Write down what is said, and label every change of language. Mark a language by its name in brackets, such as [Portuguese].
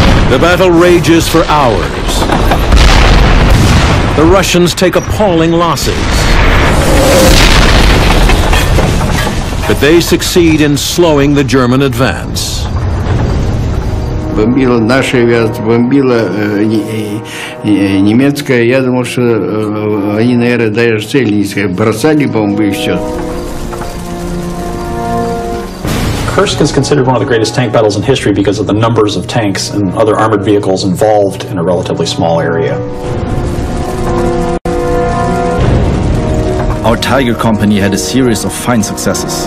[English] The battle rages for hours. The Russians take appalling losses. But they succeed in slowing the German advance. [Russian] Бомбила наша авиация, бомбила немецкая. Я думал, что они, наверное, даже цель не искали. Бросали бомбы и все. [English] Kursk is considered one of the greatest tank battles in history because of the numbers of tanks and other armored vehicles involved in a relatively small area. Our Tiger company had a series of fine successes.